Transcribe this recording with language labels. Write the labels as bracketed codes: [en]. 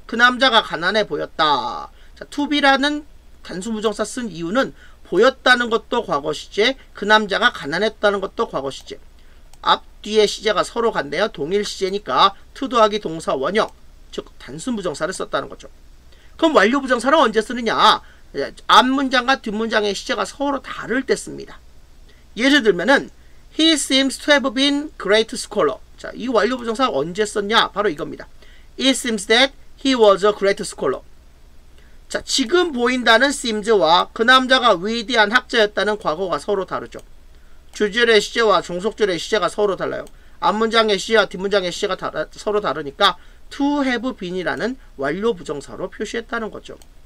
[ko] 그 남자가 가난해 보였다. to be라는 단순 부정사 쓴 이유는 보였다는 것도 과거시제, 그 남자가 가난했다는 것도 과거시제. 앞, 뒤의 시제가 서로 간대요. 동일시제니까 to 더하기 동사 원형, 즉 단순 부정사를 썼다는 거죠. 그럼 완료 부정사를 언제 쓰느냐? 앞 문장과 뒷문장의 시제가 서로 다를 때 씁니다. [en] 예를 들면은 He seems to have been great scholar. [ko] 자, 이 완료 부정사를 언제 썼냐? 바로 이겁니다. [en] It seems that he was a great scholar. [ko] 자, 지금 보인다는 seems와 그 남자가 위대한 학자였다는 과거가 서로 다르죠. 주절의 시제와 종속절의 시제가 서로 달라요. 앞문장의 시제와 뒷문장의 시제가 서로 다르니까 to have been이라는 완료 부정사로 표시했다는 거죠.